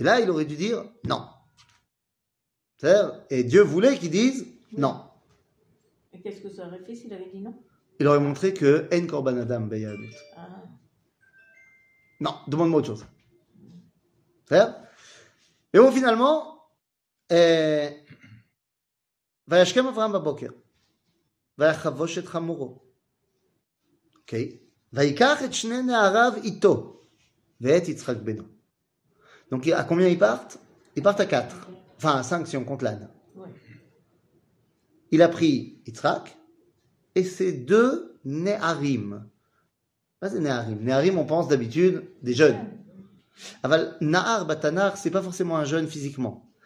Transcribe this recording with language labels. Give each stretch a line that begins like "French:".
French: Et là, il aurait dû dire non. C'est-à-dire, et Dieu voulait qu'il dise non. Et qu'est-ce que ça aurait fait s'il avait dit non? Il aurait montré que
Hebrew: En Korban Adam Beyadut.
French: Ah. Non, demande-moi autre chose. C'est-à-dire, et bon, finalement,
Hebrew: וישכם אברהם בבוקר, ויחבוש את חמורו. אוקיי? ויקח את שני נעריו איתו, ואת יצחק בנו.
French: Donc, à combien ils partent? Ils partent à 4. Enfin, à 5 si on compte l'âne. Il a pris Yitzhak et ses deux Néharim. Pas des Néharim. Néharim, on pense d'habitude des jeunes. Aval, Nahar, Batanar, ce n'est pas forcément un jeune physiquement.